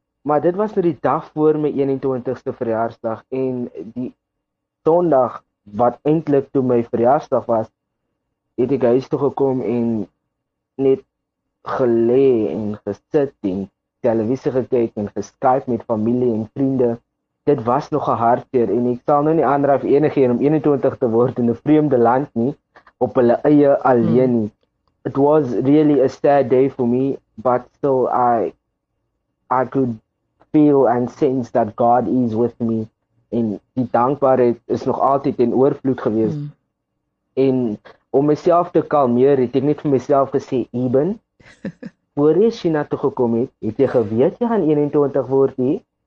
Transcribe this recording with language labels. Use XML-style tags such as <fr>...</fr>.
<af>Maar dit was nou die dag voor my 21ste verjaarsdag en die Sondag wat eintlik toe my verjaarsdag was, het ek huis toe gekom en net gelê en gesit en televisie gekyk en geskype met familie en vriende. Dit was nog 'n hartseer en ek sal nou nie aandraf enigeen om 21 te word in 'n vreemde land nie, op hulle eie alleen nie.</af> <en>It was really a sad day for me, but still I could feel and sense that God is with me.</en> <af>En die dankbaarheid is nog altyd in oorvloed gewees. En om myself te kalmeer, het ek net vir myself gesê, Eben, voor jy China toe gekom het, het jy geweet jy gaan 21 word nie.</af>